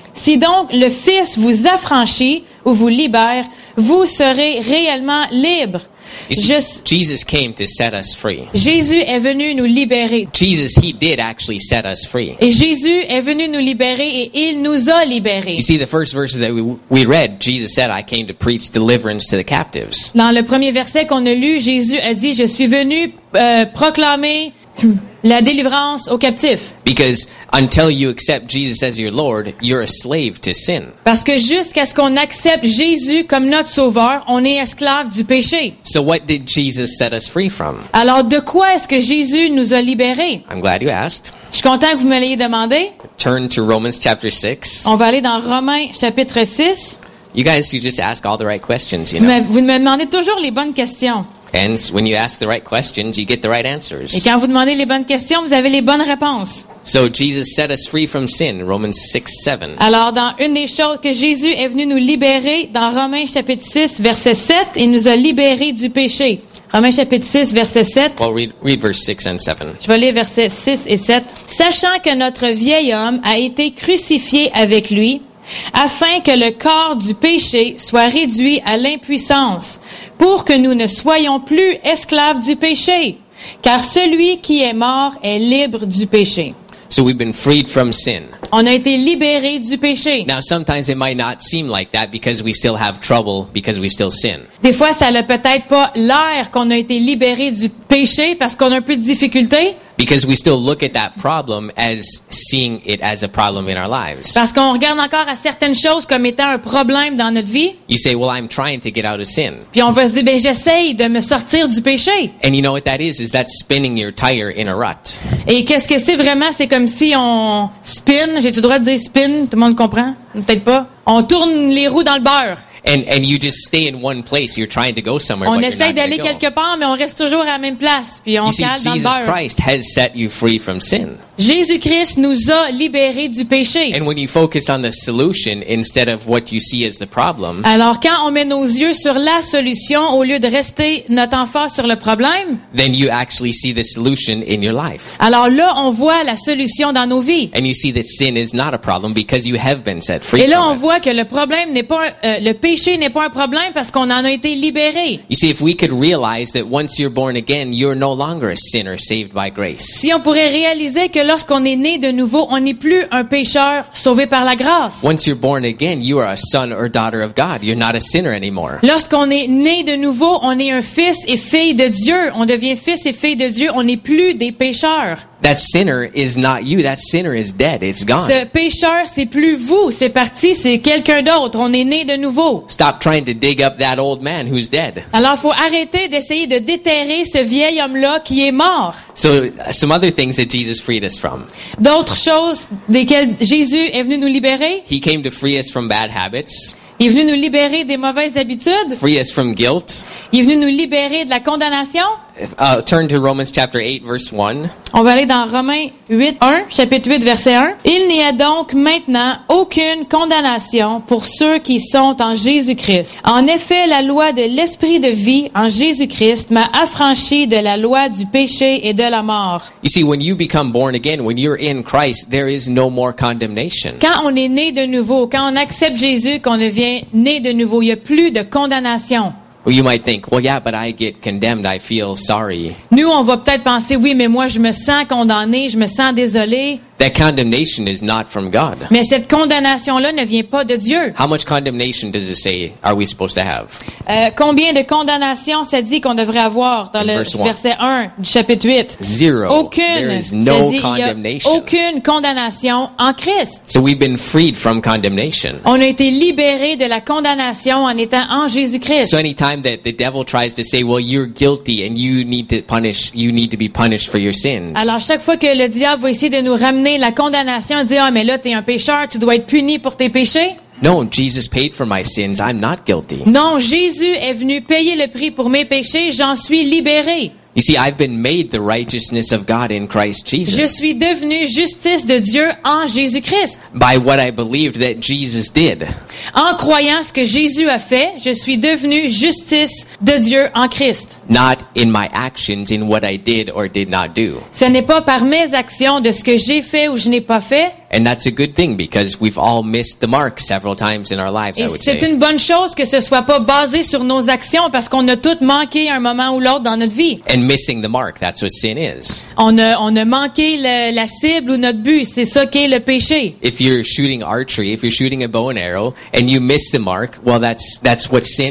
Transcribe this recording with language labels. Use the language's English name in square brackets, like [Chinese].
[French] Si donc le Fils vous affranchit ou vous libère, vous serez réellement libres. » [English] Jesus came to set us free. [French] Jésus est venu nous libérer. [English] Jesus, he did actually set us free. [French] Et Jésus est venu nous libérer et il nous a libérés. [English] You see, the first verse that we read, Jesus said, I came to preach deliverance to the captives. [French] Dans le premier verset qu'on a lu, Jésus a dit, je suis venu proclamer la délivrance aux captifs. [English] Because until you accept Jesus as your Lord, you're a slave to sin. [French] Parce que jusqu'à ce qu'on accepte Jésus comme notre sauveur, on est esclave du péché. [English] So what did Jesus set us free from? [French] Alors de quoi est-ce que Jésus nous a libérés? [English] I'm glad you asked. [French] Je suis content que vous me l'ayez demandé. [English] Turn to Romans chapter 6. [French] On va aller dans Romains chapitre 6. [English] You guys, you just ask all the right questions, you know. [French] Mais vous me demandez toujours les bonnes questions. [English] And when you ask the right questions, you get the right answers. [French] Et quand vous demandez les bonnes questions, vous avez les bonnes réponses. [English] So Jesus set us free from sin, Romans 6:7. [French] Alors dans une des choses que Jésus est venu nous libérer dans Romains chapitre 6 verset 7, il nous a libérés du péché. Romains chapitre 6 verset 7. [English] Well, read verse 6 and 7. [French] Je vais lire verset 6 et 7. Sachant que notre vieil homme a été crucifié avec lui, afin que le corps du péché soit réduit à l'impuissance, pour que nous ne soyons plus esclaves du péché, car celui qui est mort est libre du péché. [English] So we've been freed from sin. [French] On a été libérés du péché. [English] Now sometimes it might not seem like that because we still have trouble because we still sin. [French] Des fois ça n'a peut-être pas l'air qu'on a été libérés du péché parce qu'on a un peu de difficulté. [English] Because we still look at that problem as seeing it as a problem in our lives. [French] Parce qu'on regarde encore à certaines choses comme étant un problème dans notre vie. [English] You say, well, I'm trying to get out of sin. [French] Puis on va se dire, ben j'essaye de me sortir du péché. [English] And you know what that is? Is that spinning your tire in a rut? [French] Et qu'est-ce que c'est vraiment? C'est comme si on spin. J'ai le droit de dire spin? Tout le monde comprend? Peut-être pas. On tourne les roues dans le beurre. [English] And you just stay in one place. You're trying to go somewhere. [French] On essaie d'aller quelque part, mais on reste toujours à la même place. Puis on cale dans le beurre. [English] You see, Jesus Christ has set you free from sin. [French] Jésus-Christ nous a libérés du péché. [English] And when you focus on the solution instead of what you see as the problem. [French] Alors quand on met nos yeux sur la solution au lieu de rester notre enfant sur le problème. [English] Then you actually see the solution in your life. [French] Alors là, on voit la solution dans nos vies. [English] And you see that sin is not a problem because you have been set free. [French] Et là, [English] from [French] on [English] it. [French] Voit que le problème n'est pas le péché n'est pas un problème parce qu'on en a été libéré. [English] You see, if we could realize that once you're born again, you're no longer a sinner saved by grace. [French] Si on pourrait réaliser que lorsqu'on est né de nouveau, on n'est plus un pécheur sauvé par la grâce. [English] Once you're born again, you are a son or daughter of God. You're not a sinner anymore. [French] Lorsqu'on est né de nouveau, on est un fils et fille de Dieu. On devient fils et fille de Dieu. On n'est plus des pécheurs. [English] That sinner is not you. That sinner is dead. It's gone. [French] Ce pécheur, c'est plus vous. C'est parti. C'est quelqu'un d'autre. On est né de nouveau. [English] Stop trying to dig up that old man who's dead. [French] Alors, faut arrêter d'essayer de déterrer ce vieil homme-là qui est mort. [English] So, some other things that Jesus freed us from. [French] D'autres choses desquelles Jésus est venu nous libérer. [English] He came to free us from bad habits. [French] Il est venu nous libérer des mauvaises habitudes. [English] Free us from guilt. [French] Il est venu nous libérer de la condamnation. Turn to Romans chapter 8, verse 1. On va aller dans Romains 8, 1, chapitre 8, verset 1. Il n'y a donc maintenant aucune condamnation pour ceux qui sont en Jésus-Christ. En effet, la loi de l'esprit de vie en Jésus-Christ m'a affranchi de la loi du péché et de la mort. [English] You see, when you become born again, when you're in Christ, there is no more condemnation. [French] Quand on est né de nouveau, quand on accepte Jésus, qu'on devient né de nouveau, il n'y a plus de condamnation. [English] Well, you might think, well, yeah, but I get condemned. I feel sorry. [French] Nous, on va peut-être penser, oui, mais moi, je me sens condamné, je me sens désolé. [English] That condemnation is not from God. [French] Mais cette condamnation-là ne vient pas de Dieu. [English] How much condemnation does it say are we supposed to have? [French] Combien de condamnation ça dit qu'on devrait avoir dans le verset 1 du chapitre 8? [English] Zero. [French] Aucune. [English] There is no condemnation. [French] Aucune condamnation en Christ. [English] So we've been freed from condemnation. [French] On a été libérés de la condamnation en étant en Jésus-Christ. [English] So anytime that the devil tries to say, well, you're guilty and you need to be punished for your sins. [French] Alors chaque fois que le diable va essayer de nous amener la condamnation et dire, ah, mais là, t'es un pécheur, tu dois être puni pour tes péchés. [English] No, Jesus paid for my sins. I'm not guilty. [French] Non, Jésus est venu payer le prix pour mes péchés. J'en suis libéré. [English] You see, I've been made the righteousness of God in Christ Jesus. [French] Je suis devenu justice de Dieu en Jésus-Christ. [English] By what I believed that Jesus did. [French] En croyant ce que Jésus a fait, je suis devenu justice de Dieu en Christ. [English] Not in my actions, in what I did or did not do. [French] Ce n'est pas par mes actions de ce que j'ai fait ou je n'ai pas fait. [English] And that's a good thing because we've all missed the mark several times in our lives, [French] et [English] I would say. [French] Et c'est une bonne chose que ce soit pas basé sur nos actions parce qu'on a toutes manqué un moment ou l'autre dans notre vie. [English] And missing the mark, that's what sin is. [French] On a manqué la cible ou notre but, c'est ça qui est le péché. [English] If you're shooting archery, if you're shooting a bow and arrow and you miss the mark, well that's what sin